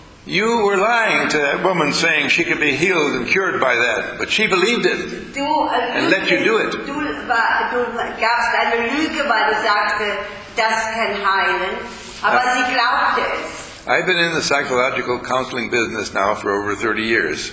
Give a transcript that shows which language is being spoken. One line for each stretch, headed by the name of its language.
English: You were lying to that woman saying she could be healed and cured by that, but she believed it and let you do it.
German: Du gabst eine Lüge, weil du sagte, das kann heilen, aber sie glaubte es.
English: I've been in the psychological counseling business now for over 30 years.